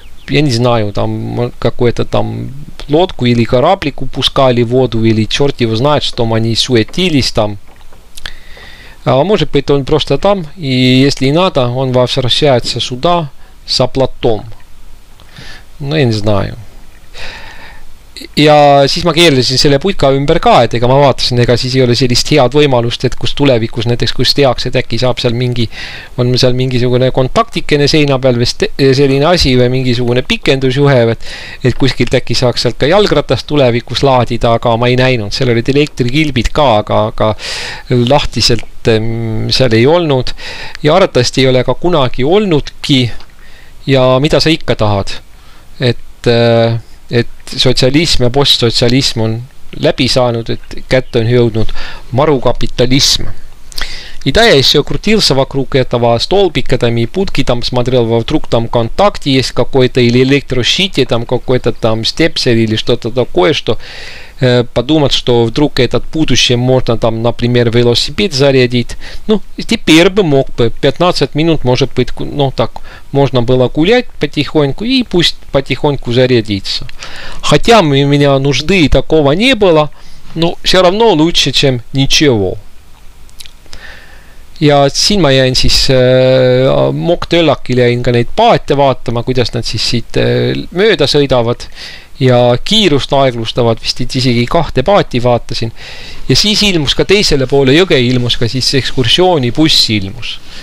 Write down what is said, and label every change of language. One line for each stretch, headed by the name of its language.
Russian: Я не знаю, там какую-то там лодку или кораблик упускали в воду, или черт его знает, что они суетились там. А может быть, он просто там, и если надо, он возвращается сюда с оплатом. Ну, я не знаю.
Estonian: Ja siis ma keelesin selle putka ümber ka, et ega ma vaatasin, ega siis ei ole sellist head võimalust, et kus tulevikus näiteks kus teaks, et äkki saab seal mingi, on seal mingisugune kontaktikene seina peal või selline asi või mingisugune pikendusjuhe, et kuskil äkki saaks seal ka jalgratast tulevikus laadida, aga ma ei näinud, seal olid elektrikilbid ka, aga lahtiselt seal ei olnud ja arvatavasti ei ole ka kunagi olnudki ja mida sa ikka tahad, et sotsialism ja postsotsialism on läbi saanud, et kätte on jõudnud marukapitalism.
Russian: Idea ещё крутился вокруг этого столбика там и путки там смотрел вдруг там контакт есть какой-то или электрощит там какой-то там степсель или что-то такое, что подумать, что вдруг этот будущее можно там, например, велосипед зарядить. Ну, теперь бы мог бы 15 минут, может быть, ну так, можно было гулять потихоньку и пусть потихоньку зарядится. Хотя у меня нужды такого не было, но все равно лучше, чем ничего.
Estonian: Ja siin ma jäin siis moktöllakil jäin ka neid paate vaatama, kuidas nad siis siit mööda sõidavad ja kiirust aeglustavad, vist isegi kahte paati vaatasin. Ja siis ilmus ka teisele poole jõge, ilmus ka siis ekskursiooni buss ilmus.